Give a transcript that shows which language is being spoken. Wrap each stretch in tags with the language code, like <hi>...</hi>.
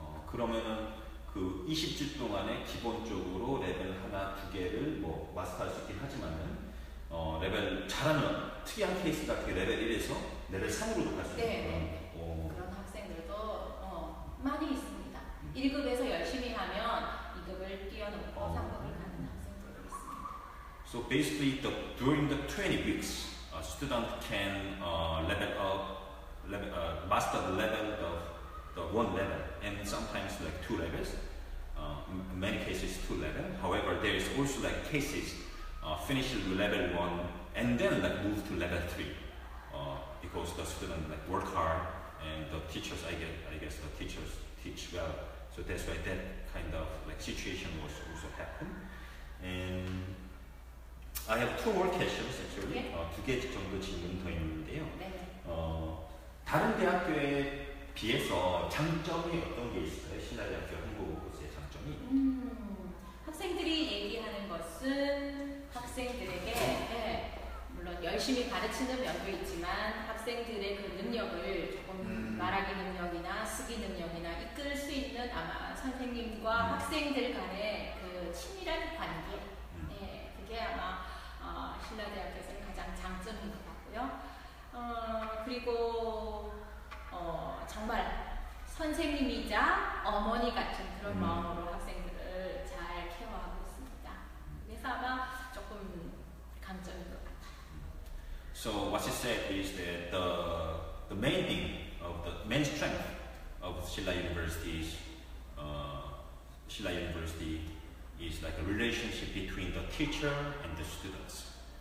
<ko>그러면은 그 20주 동안에 기본적으로 레벨 하나, 두 개를 뭐 마스터할 수 있긴 하지만은 레벨 잘하면 특이한 케이스 같은 게 레벨 1에서 레벨 3으로도 갈 수 있는 그런, 그런 학생들도 많이 있습니다. 1급에서 열심히 하면 2급을 뛰어넘고 3급을 가는 학생들도 있습니다.</ko> <en>So basically, during the 20 weeks, a student can level up, master the level of the one level, and sometimes like two levels. Many cases two level. However, there is also like cases. Finish level 1 and then like move to level 3 because the student like work hard and the teachers I guess the teachers teach well, so that's why that kind of like situation was also happen. And I have two more questions actually.</en> <ko>두 개 정도 질문 더 있는데요. 다른 대학교에 비해서 장점이 어떤 게 있어요? 신라대학교 한국어교수의 장점이 학생들이 얘기하는 것은 학생들에게 물론 열심히 가르치는 면도 있지만 학생들의 그 능력을 조금 말하기 능력이나 쓰기 능력이나 이끌 수 있는 아마 선생님과 학생들 간의 그 친밀한 관계 그게 아마 신라대학교에서 가장 장점인 것 같고요. 그리고 정말 선생님이자 어머니 같은 그런 마음으로 학생들을 잘 케어하고 있습니다. 그래서 아마</ko> <en>So what she said is that the main thing of the main strength of Silla University is like a relationship between the teacher and the students.</en>